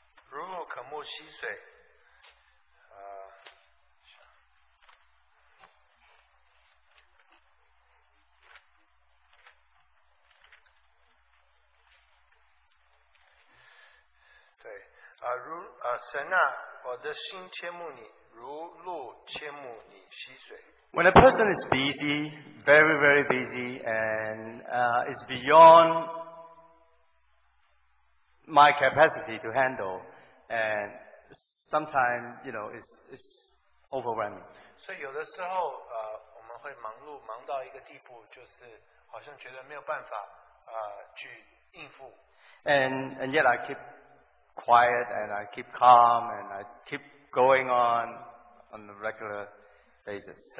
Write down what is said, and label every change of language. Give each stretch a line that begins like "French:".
Chinese: 如我渴慕溪水，对，如神啊，我的心切慕你，如鹿切慕你溪水。
English: When a person is busy, very, very busy, and is beyond my capacity to handle, and sometimes, it's overwhelming.
Chinese: So, 有的时候，我们会忙碌，忙到一个地步，就是好像觉得没有办法，去应付。
English: And yet I keep quiet, and I keep calm, and I keep going on the regular basis.